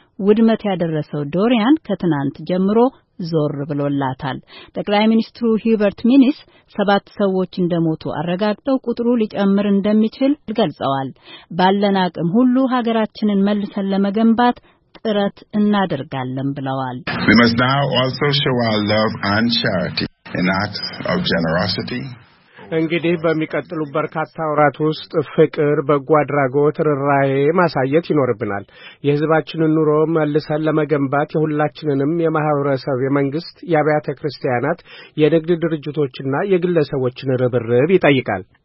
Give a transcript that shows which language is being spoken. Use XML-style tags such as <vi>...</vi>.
<am>ውድመት ያደረሰው ዶሪያን ከትናንት ጀምሮ ዞር ብሎላታል። ጠቅላይ ሚኒስትሩ ሂበርት ሚኒስ 7 ሰዎች እንደሞቱ አረጋግጠው ቁጥሩ ሊጨምር እንደሚችል ገልጸዋል። ባለን አቅም ሁሉ ሀገራችንን መልሰን ለመገንባት ጥረት እናደርጋለን ብለዋል።</am> <en>We must now also show our love and charity in acts of generosity.</en> <am>እንግዲህ በሚቀጥሉ በርካታ ወራት ውስጥ ፍቅር በጓድራጎት ራዬ ማሳየት ይኖርብናል። የህዝባችንን ኑሮ መልሰን ለመገንባት የሁላችንንም የማህበረሰብ የመንግስት ያባተ ክርስቲያናት የንግድ ድርጅቶችና የግለሰቦችን ርብርብ ይጠይቃል።</am>